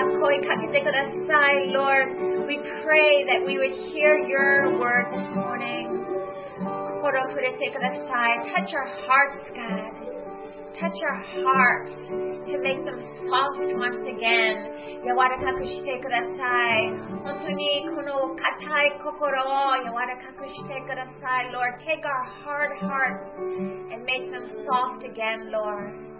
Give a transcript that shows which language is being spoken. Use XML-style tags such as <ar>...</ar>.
<ja>にかけてください。</ja> <en>Lord, we pray that we would hear your word this morning.</en> <ja>心を触れてください。</ja> <en>Touch our hearts, God. Touch our hearts to make them soft once again.</en> <ja>柔らかくしてください。本当にこの硬い心を柔らかくしてください。</ja> <en>Lord, take our hard hearts and make them soft again, Lord.</en>